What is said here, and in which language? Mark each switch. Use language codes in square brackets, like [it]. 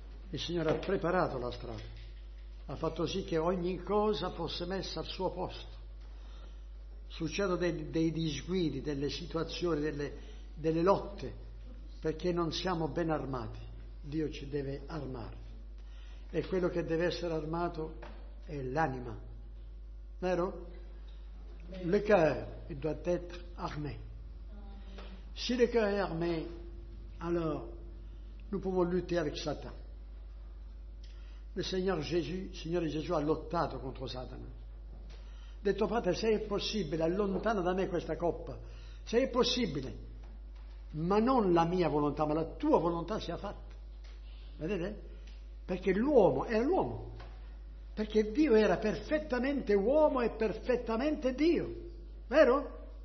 [it] Il Signore ha preparato la strada. Ha fatto sì che ogni cosa fosse messa al suo posto. Succedono dei disguidi, delle situazioni, delle lotte, perché non siamo ben armati. Dio ci deve armare. E quello che deve essere armato è l'anima. Vero? [fr] Le cœur, il doit être armé. Si le cœur est armé, alors nous pouvons lutter avec Satan. [it] Il Signore Gesù ha lottato contro Satana. Ha detto, padre, se è possibile, allontana da me questa coppa. Se è possibile, ma non la mia volontà, ma la tua volontà sia fatta. Vedete? Perché l'uomo era l'uomo. Perché Dio era perfettamente uomo e perfettamente Dio. Vero?